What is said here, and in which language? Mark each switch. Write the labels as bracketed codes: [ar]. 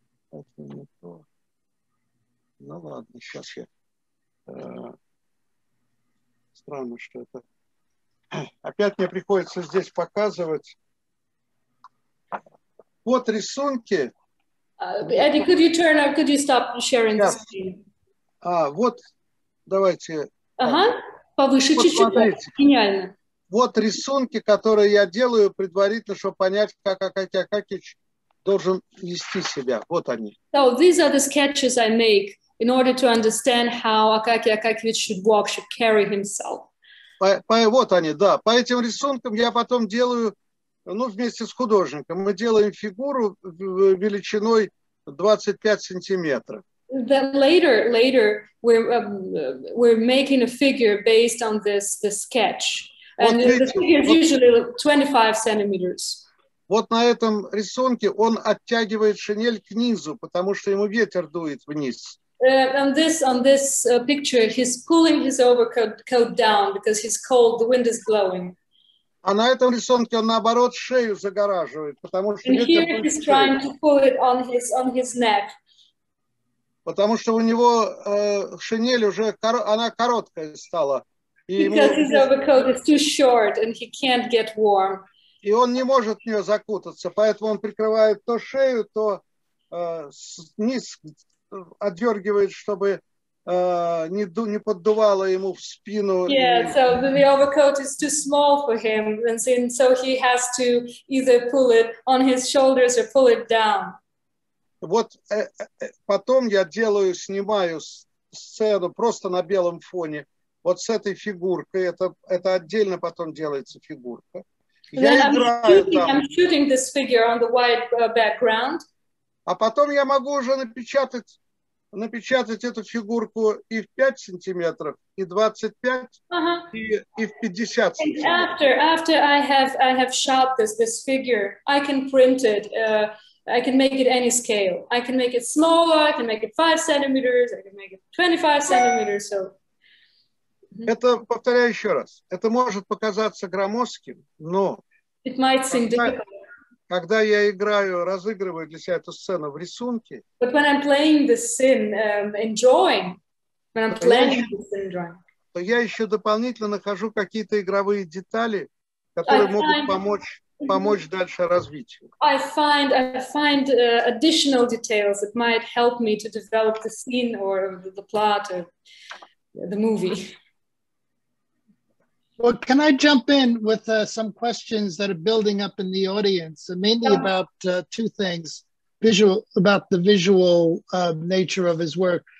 [ru] Это не то. Ну ладно, сейчас я. Странно, что это. Опять мне приходится здесь показывать. Вот рисунки. [en] Eddie, could you turn or could you stop sharing the screen? [ru] А, вот, давайте. Ага, повыше вот чуть-чуть. Смотрите. Гениально. Вот рисунки, которые я делаю предварительно, чтобы понять, как Акаки Акакич должен вести себя. Вот они. [en] So these are the sketches I make in order to understand how Акаки Акакевич should walk, should carry himself. [ru] Вот они, да. По этим рисункам я потом делаю, ну, вместе с художником. Мы делаем фигуру величиной 25 сантиметров. [en] Then later we're making a figure based on this sketch. And [ru] вот видите, [en] the figure is usually 25 centimeters. [ru] Вот на этом рисунке он оттягивает шинель к низу, потому что ему ветер дует вниз. [en] On this picture, he's pulling his overcoat down because he's cold, the wind is blowing. [ru] А на этом рисунке он, наоборот, шею загораживает, потому что [en] And [ru] ветер [en] here he's [ru] шею. [en] Trying to pull it on his neck. [ru] Потому что у него шинель уже, она короткая стала. [en] И because his overcoat is too short and he can't get warm. [ru] И он не может в нее закутаться, поэтому он прикрывает то шею, то низ, отдергивает, чтобы не поддувало йому в спину. [en] Yeah, so the overcoat is too small for him, and so he has to either pull it on his shoulders or pull it down. [ru] Вот потом я делаю, снимаю сцену просто на белом фоне, вот с этой фигуркой, это отдельно потом делается фигурка. [en] I'm shooting this figure on the white background. [ru] А потом я могу уже напечатать эту фигурку и в 5 сантиметров, и 25, и в 50 сантиметров. [en] And after I have shot this figure, I can print it, I can make it any scale. I can make it smaller, I can make it 5 centimeters, I can make it 25 centimeters, so... [ru] Это, повторяю еще раз, это может показаться громоздким, но [en] it might seem [ru] когда я играю, разыгрываю для себя эту сцену в рисунке, то я еще дополнительно нахожу какие-то игровые детали, которые могут помочь дальше развитию. [en] I find additional details that might help me to develop the scene or the plot or the movie. Well, can I jump in with some questions that are building up in the audience, mainly about two things, about the visual nature of his work.